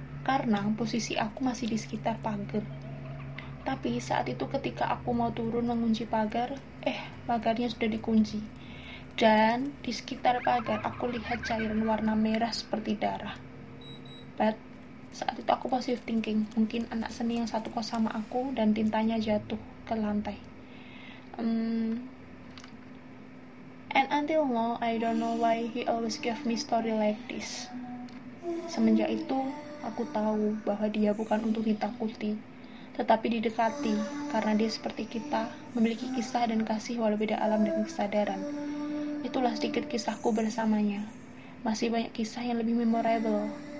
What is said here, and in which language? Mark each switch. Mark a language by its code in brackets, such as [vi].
[id] Karena posisi aku masih di sekitar pagar. Tapi saat itu ketika aku mau turun mengunci pagar, pagarnya sudah dikunci. Dan di sekitar pagar aku lihat cairan warna merah seperti darah. But saat itu aku positive thinking, mungkin anak seni yang satu kos sama aku dan tintanya jatuh ke lantai. [en] And until now, I don't know why he always gave me story like this. [id] Semenjak itu, aku tahu bahwa dia bukan untuk ditakuti, tetapi didekati, karena dia seperti kita, memiliki kisah dan kasih walau beda alam dan kesadaran. Itulah sedikit kisahku bersamanya. Masih banyak kisah yang lebih memorable.